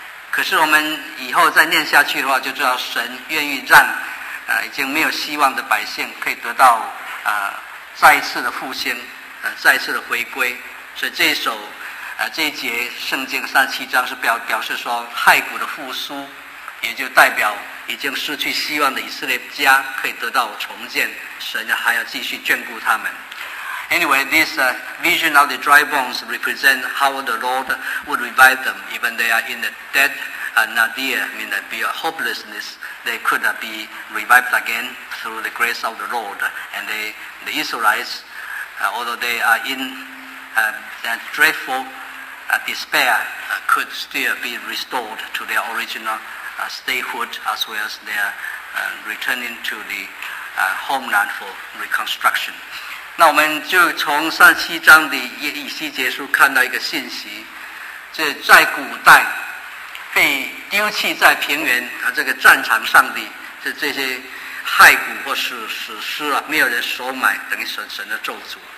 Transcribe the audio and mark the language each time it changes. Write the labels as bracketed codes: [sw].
[zh] 可是我们以后再念下去的话，就知道神愿意让已经没有希望的百姓可以得到再一次的复兴，再一次的回归。所以这一首这一节圣经三十七章是表示说骸骨的复苏，也就代表已经失去希望的以色列家可以得到重建，神还要继续眷顾他们。 [en] Anyway, this vision of the dry bones represent how the Lord would revive them, even they are in the dead nadir, meaning be a hopelessness, they could not be revived again through the grace of the Lord. And the Israelites, although they are in dreadful despair could still be restored to their original statehood as well as their returning to the homeland for reconstruction. [zh] 那我们就从上七章的以西结书看到一个信息，就是在古代被丢弃在平原啊这个战场上的这些骸骨或是死尸啊，没有人收买，等于神的咒诅。